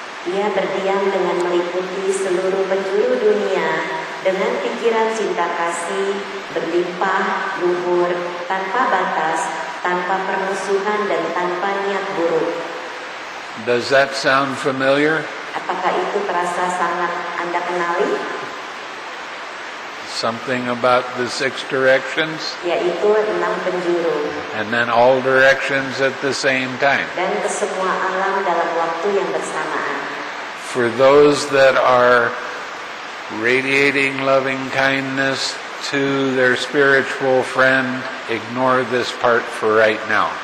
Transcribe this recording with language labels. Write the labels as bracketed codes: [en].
[id] Ia berdiam dengan meliputi seluruh penjuru dunia dengan pikiran cinta kasih berlimpah luhur tanpa batas, tanpa permusuhan dan tanpa niat buruk. [en] Does that sound familiar? [id] Apakah itu terasa sangat Anda kenali? [en] Something about the 6 directions? [id] Yaitu 6 penjuru. [en] And then all directions at the same time. [id] Dan ke semua alam dalam waktu yang bersamaan. [en] For those that are radiating loving kindness to their spiritual friend, ignore this part for right now.